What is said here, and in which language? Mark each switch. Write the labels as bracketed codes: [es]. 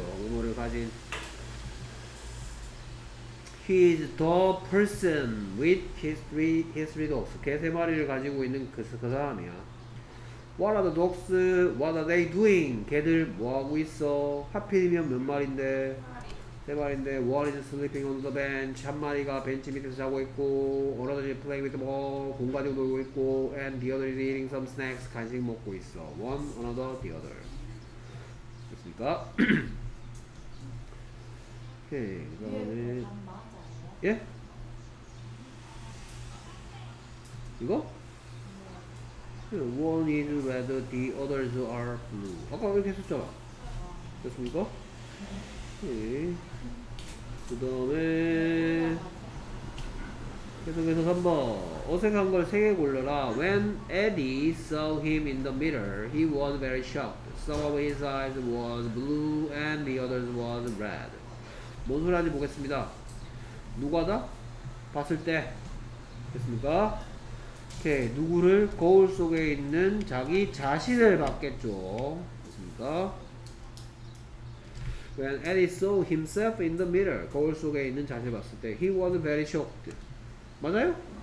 [ko] 뭐뭐를 가진 [en] He is the person with his three dogs. [ko] 개 세 마리를 가지고 있는 그 사람이야. [en] What are the dogs? What are they doing? [ko] 개들 뭐하고 있어? 하필이면 몇 마리인데? 세 마리인데 [en] One is sleeping on the bench. [ko] 한 마리가 벤치 밑에서 자고 있고 [en] Another is playing with the ball. [ko] 공 가지고 놀고 있고 [en] And the other is eating some snacks. [ko] 간식 먹고 있어. [en] One, another, the other. [ko] 됐습니까? 오케이, 그 다음에 예? 이거? [en] One is red, the others are blue. [ko] 아까 이렇게 했었잖아. 됐습니까? 오케이. 그 다음에 계속해서 3번. 어색한 걸 3개 골라라. [en] When Eddie saw him in the mirror, he was very shocked. Some of his eyes was blue and the others was red. [ko] 뭔 소리 하는지 보겠습니다. 누가다? 봤을 때. 됐습니까? 오케이. 누구를? 거울 속에 있는 자기 자신을 봤겠죠. 됐습니까? [en] When Eddie saw himself in the mirror, [ko] 거울 속에 있는 자신을 봤을 때, [en] he was very shocked. [ko] 맞아요?